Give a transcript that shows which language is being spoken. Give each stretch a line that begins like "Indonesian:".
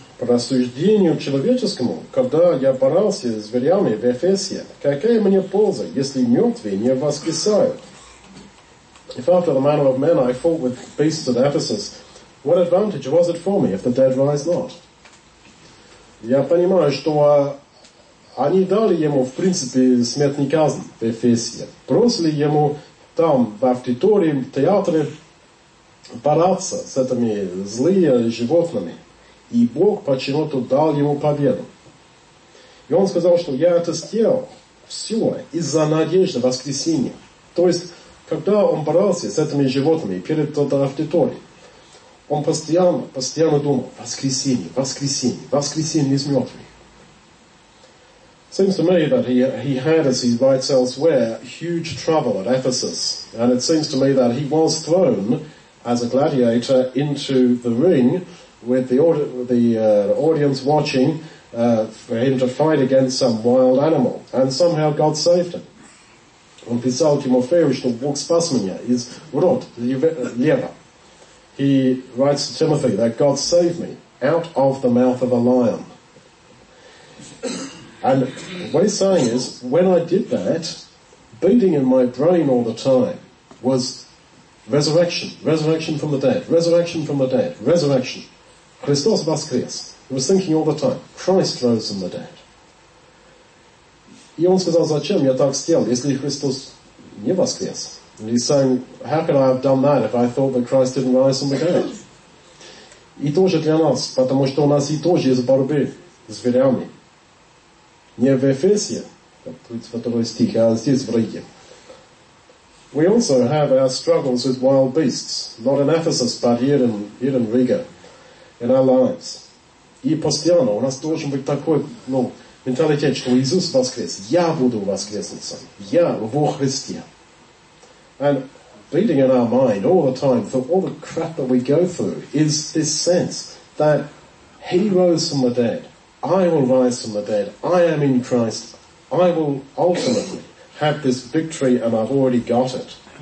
Russian: По рассуждению человеческому, когда я боролся с зверями в Эфесе, какая мне польза, если мертвые не воскресают?
English: If after the manner of men I fought with beasts at Ephesus, what advantage was it for me if the dead rise not?
Russian: Я понимаю, что они дали ему, в принципе, смертный казнь в Эфесе. Бросили ему там, в авторитории, в театре, бороться с этими злыми животными. И Бог почему-то дал ему победу. И он сказал, что я это сделал все из-за надежды воскресения. То есть, когда он боролся с этими животными перед той аудиторией, он постоянно, постоянно думал, воскресение, воскресение, воскресение из мертвых.
English: Seems to me that he had, as he writes elsewhere, huge trouble at Ephesus. And it seems to me that he was thrown as a gladiator into the ring with the audience watching for him to fight against some wild animal. And somehow God saved him.
Russian: Он писал Тимофею, что Бог спас меня из рот лева.
English: He writes to Timothy that God saved me out of the mouth of a lion. And what he's saying is, when I did that, beating in my brain all the time was resurrection, resurrection from the dead, resurrection from the dead, resurrection.
Russian: Христос воскрес.
English: He was thinking all the time, Christ rose from the dead.
Russian: И он сказал, зачем я так сделал, если Христос не воскрес?
English: And he's saying, how could I have done that if I thought that Christ didn't rise from the dead?
Russian: И тоже для нас, потому что у нас и тоже есть борьбы с зверями. Не в Эфесе, как 32 стих, а здесь в Риге.
English: We also have our struggles with wild beasts, not in Ephesus, but here in Riga. In our lives.
Russian: И постоянно у нас должен быть такой, ну, менталитет, что Иисус воскрес. Я буду воскресницей. Я во Христе.
English: And beating in our mind all the time for all the crap that we go through is this sense that he rose from the dead. I will rise from the dead. I am in Christ. I will ultimately have this victory, and I've already got it.